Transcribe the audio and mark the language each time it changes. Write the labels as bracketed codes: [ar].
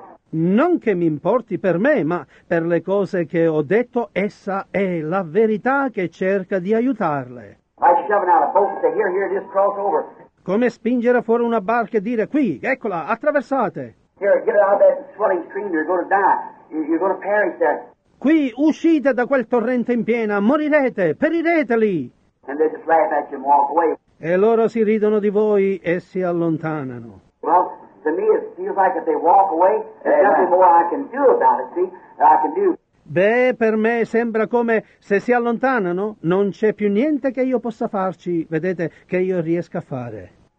[it] Non che mi importi per me, ma per le cose che ho detto, essa è la verità che cerca di aiutarle. [en] Like shoving out a boat and say, here, just cross over. [it] Come spingere fuori una barca e dire, qui, eccola, attraversate. [en] Here, get out of that swelling stream, you're going to die. You're going to perish there. [it] Qui, uscite da quel torrente in piena, morirete, perirete lì. [en] And they just laugh at you and walk away. [it] E loro si ridono di voi e si allontanano. [en] Well, to me it feels like if they walk away, there's nothing more I can do about it, see, that I can do. [it] Beh, per me sembra come se si allontanano, non c'è più niente che io possa farci, vedete, che io riesca a fare.